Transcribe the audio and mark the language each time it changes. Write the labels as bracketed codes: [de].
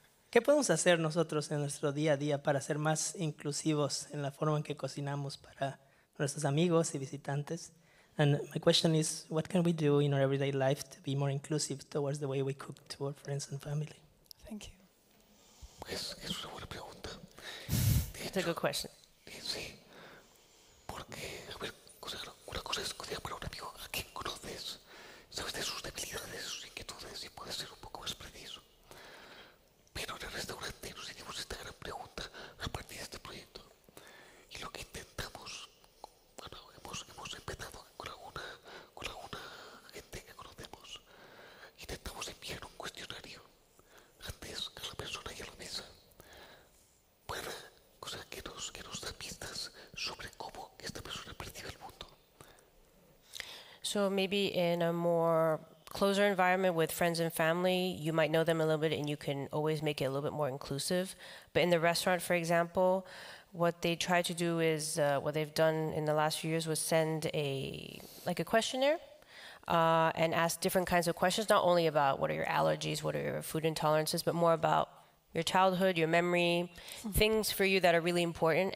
[es] ¿Qué podemos hacer nosotros en nuestro día a día para ser más inclusivos en la forma en que cocinamos para nuestros amigos y visitantes? [en] And my question is, what can we do in our everyday life to be more inclusive towards the way we cook to our friends and family? Thank you. [es] Pues es una buena pregunta. [en] It's a good question. [es] Sí. Porque, a ver, una cosa es cocinar para un amigo a quien conoces. Sabes de sus debilidades, sus inquietudes y puedes ser un poco más preciso. Pero en el restaurante nos hicimos esta gran pregunta a partir de este proyecto. Y lo que intentamos, bueno, hemos empezado con alguna gente que conocemos. Intentamos enviar un cuestionario antes a la persona y a la mesa. Para, o sea, que nos da pistas sobre cómo esta persona percibe el mundo. [en] So maybe in a more closer environment with friends and family, you might know them a little bit and you can always make it a little bit more inclusive. But in the restaurant, for example, what they try to do is, what they've done in the last few years was send a questionnaire and ask different kinds of questions, not only about what are your allergies, what are your food intolerances, but more about your childhood, your memory, things for you that are really important.